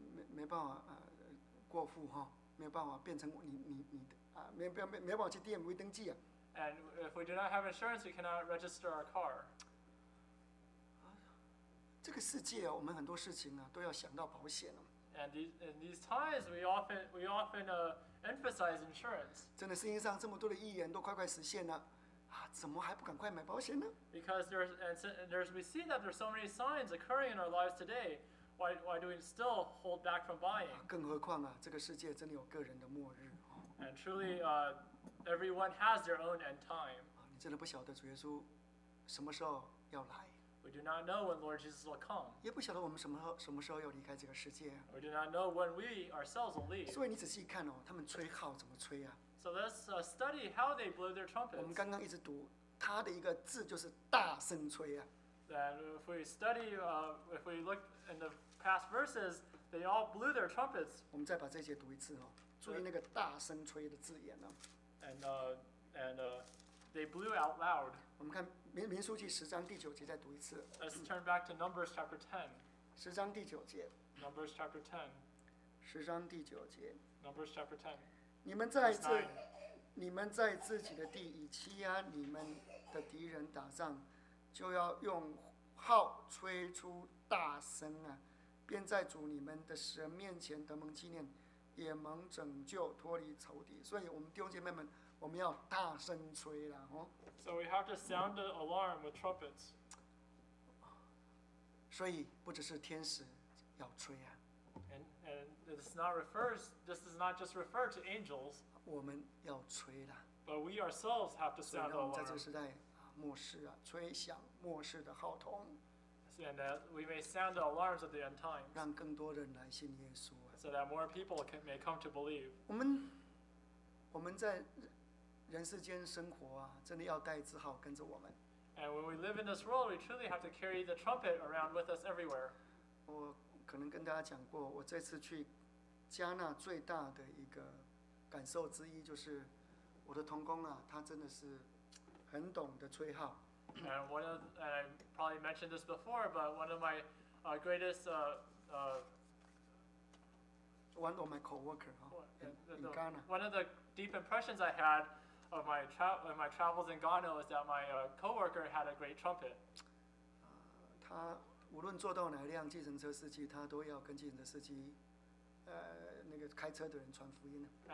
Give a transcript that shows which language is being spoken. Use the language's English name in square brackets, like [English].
[Chinese] 没办法过户哈，没办法变成你的啊，没办法去DMV登记啊。 [English] And if we do not have insurance, we cannot register our car. [Chinese] 这个世界啊，我们很多事情啊，都要想到保险了。 [English] And in these times, we often emphasize insurance. [Chinese] 真的，世界上这么多的预言都快快实现了。怎么还不赶快买保险呢？ [English] Because we see that there's so many signs occurring in our lives today. Why do we still hold back from buying? [Chinese] 更何况啊，这个世界真的有个人的末日。 [English] And truly, everyone has their own end time. [Chinese] 你真的不晓得主耶稣什么时候要来。 [English] We do not know when Lord Jesus will come. [Chinese] 也不晓得我们什么时候要离开这个世界。 [English] We do not know when we ourselves will leave. [Chinese] 所以你仔细看哦，他们吹号怎么吹啊？ [English] So let's study how they blow their trumpets. [Chinese] 我们刚刚一直读他的一个字就是大声吹啊。 [English] Then if we study, if we look in the past verses, they all blew their trumpets. [Chinese] 我们再把这些读一次哦，注意那个大声吹的字眼哦。 [English] And they blew out loud. [Chinese] 我们看民数记十章第九节再读一次。 [English] Let's turn back to Numbers chapter 10. [Chinese] 十章第九节。 [English] Numbers chapter 10. [Chinese] 十章第九节。 [English] Numbers chapter 10. [Chinese] 你们在自己的地以欺压你们的敌人打仗，就要用号吹出大声啊，便在主你们的神面前得蒙纪念，也蒙拯救脱离仇敌。所以我们弟兄姐妹们，我们要大声吹了哦。 [English] So we have to sound the alarm with trumpets. [Chinese] 所以不只是天使要吹啊。 [English] This does not just refer to angels. [Chinese] 我们要吹啦。 [English] But we ourselves have to sound the alarm. [Chinese] 在这个时代，末世啊，吹响末世的号筒。 [English] And that we may sound the alarms of the end times. [Chinese] 让更多人来信耶稣啊。 [English] So that more people may come to believe. [Chinese] 我们在人世间生活啊，真的要带字号跟着我们。 [English] And when we live in this world, we truly have to carry the trumpet around with us everywhere. [Chinese] 我可能跟大家讲过，我这次去加纳最大的一个感受之一就是，我的同工啊，他真的是很懂得吹号。 [English] And one of, and I probably mentioned this before, but one of my greatest one of my coworker in Ghana. One of the deep impressions I had of my travels in Ghana was that my coworker had a great trumpet. [Chinese] 他无论坐到哪辆计程车司机，他都要跟计程车司机，那个开车的人传福音呢。